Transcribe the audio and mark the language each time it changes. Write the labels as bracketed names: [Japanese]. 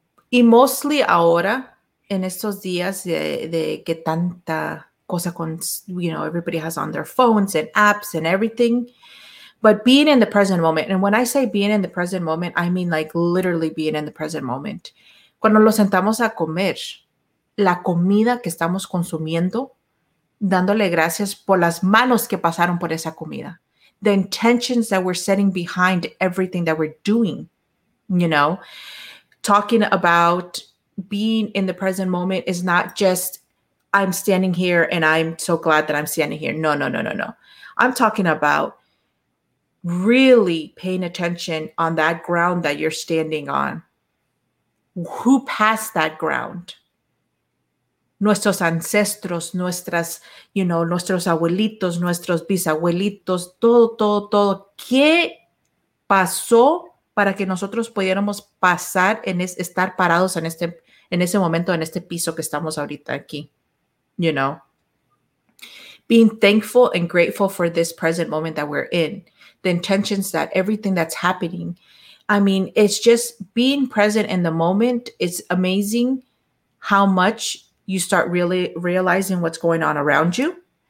[English] Y mostly [Spanish] ahora, en estos días de que tanta cosa con, [English] everybody has on their phones and apps and everything, but being in the present moment. And when I say being in the present moment, I mean like literally being in the present moment. [Spanish] Cuando nos sentamos a comer, la comida que estamos consumiendo, dándole gracias por las manos que pasaron por esa comida. [English] The intentions that we're setting behind everything that we're doing, talking about being in the present moment is not just, I'm standing here and I'm so glad that I'm standing here. No. I'm talking about really paying attention on that ground that you're standing on. Who passed that ground? [Spanish] Nuestros ancestros, nuestros abuelitos, nuestros bisabuelitos, todo. ¿Qué pasó para que nosotros pudiéramos pasar en estar parados en ese momento, en este piso que estamos ahorita aquí? [English] Being thankful and grateful for this present moment that we're in, the intentions that everything that's happening. I mean, it's just being present in the moment. It's amazing how much you start really realizing what's going on around you.